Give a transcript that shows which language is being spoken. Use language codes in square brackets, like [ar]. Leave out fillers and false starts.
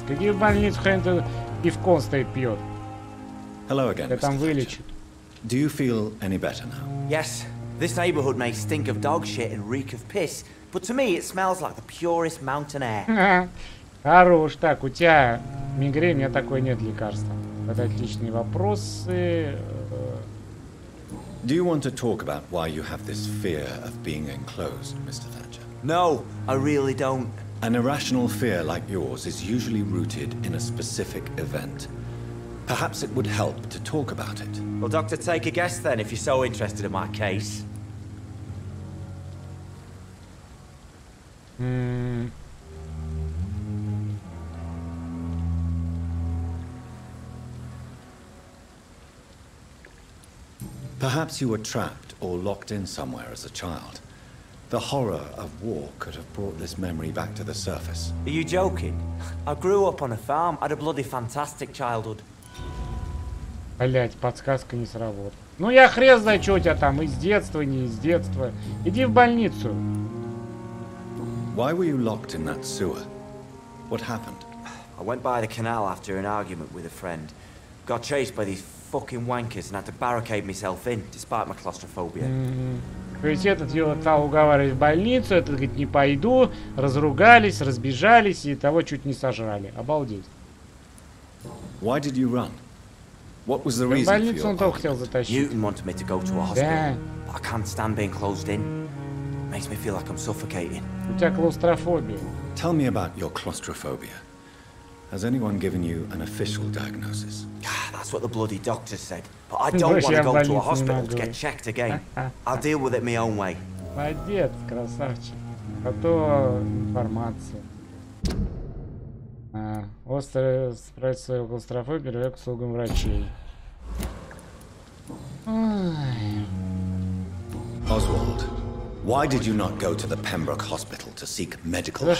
[ru] Сходи в больницу, хрен ты пивко он стоит пьет. [en] Hello again, Mr. Thatcher. Do you feel any better now? Yes. This neighborhood may stink of dog shit and reek of piss, but to me it smells like the purest mountain air. [ru] Хорош, так, у тебя мигрень, у меня такой нет лекарства. Вот отличные вопросы. [en] Do you want to talk about why you have this fear of being enclosed, Mr. Thatcher? No, I really don't. An irrational fear like yours is usually rooted in a specific event. Perhaps it would help to talk about it. Well, Doctor, take a guess then, if you're so interested in my case. Perhaps you were trapped or locked in somewhere as a child. The horror of war could have brought this memory back to the surface. Are you joking? I grew up on a farm. I had a bloody fantastic childhood. [ru] Блять, подсказка не сработала. Ну я хрен знает, что у тебя там, из детства, не из детства. Иди в больницу. [en] Why were you locked in that sewer? What happened? I went by the canal after an argument with a friend. Got chased by these fucking wankers and had to barricade myself in, despite my claustrophobia. [ru] То есть этот его стал уговаривать в больницу, этот говорит, не пойду, разругались, разбежались и того чуть не сожрали. Обалдеть. [en] Why did you run? What was the reason? [ru] В больницу он то хотел затащить. [en] Newton wanted me to go to a hospital. I can't stand being closed in. Makes me feel like I'm suffocating. [ru] У тебя клаустрофобия. [en] Tell me about your claustrophobia. Has anyone given you an official diagnosis? That's what the bloody doctor said. But I don't want to go to a hospital to get checked again. I'll deal with it my own way. [ru] Молодец, красавчик. А то информация. Острый справить свою клаустрофобию, привлек к услугам врачей. [en] Oswald, why did you not go to the Pembroke Hospital to seek medical help?